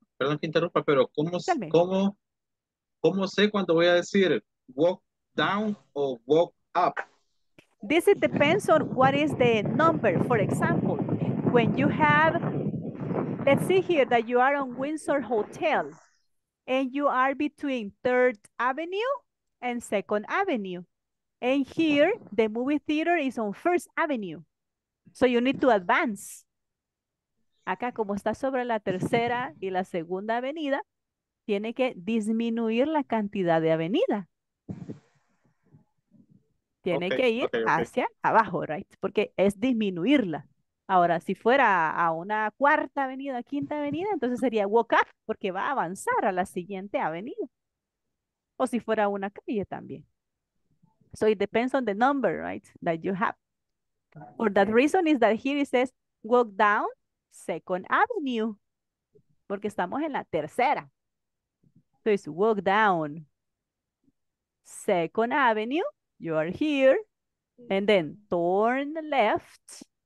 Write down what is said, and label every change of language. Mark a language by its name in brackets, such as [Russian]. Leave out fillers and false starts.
[Spanish] Perdón que interrumpa, pero ¿cómo sé cuando voy a decir [English] walk down or walk up? This it depends on what is the number. For example, when you have, let's see here that you are on Windsor Hotel and you are between 3rd Avenue and 2nd Avenue. And here, the movie theater is on 1st Avenue. So you need to advance. [Spanish] Acá, como está sobre la tercera y la segunda avenida, tiene que disminuir la cantidad de avenida. Tiene que ir hacia abajo, right? Porque es disminuirla. Ahora, si fuera a una cuarta avenida, quinta avenida, entonces sería walk up, porque va a avanzar a la siguiente avenida. O si fuera una calle también. [English] So it depends on the number, right, that you have. For that reason is that here it says walk down Second Avenue, [Spanish] porque estamos en la tercera. [English] So it's walk down Second Avenue, you are here, and then turn left.